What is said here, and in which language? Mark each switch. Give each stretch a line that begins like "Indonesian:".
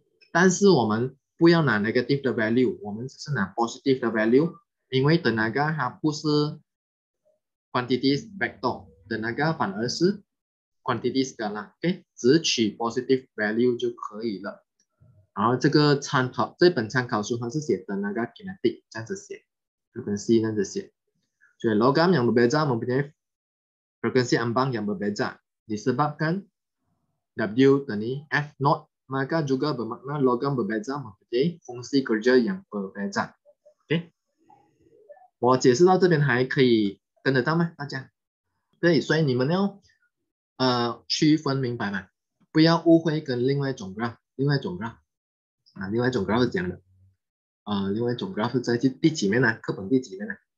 Chinese: 但是我们不要拿 negative 的 value，我们只是拿 positive 的 value，因为 Denaga 它不是 quantities vector，Denaga 反而是 quantities scalar，OK，只取 positive value 就可以了。然后这本参考书它是写 Denaga kinetic 这样子写，就跟 C 这样子写。
Malay: 所以 logam yang berbeza mempunyai frequency ambang yang berbeza disebabkan W
Chinese: 等于
Malay: F naught maka juga bermakna logam berbeza mempunyai fungsi kerja yang berbeza.
Chinese: OK，我解释到这边还可以跟得到吗？大家？对，所以你们要区分明白吗？不要误会跟另外一种 graph 是讲的，另外一种 graph 是在第几面呢？课本第几面呢？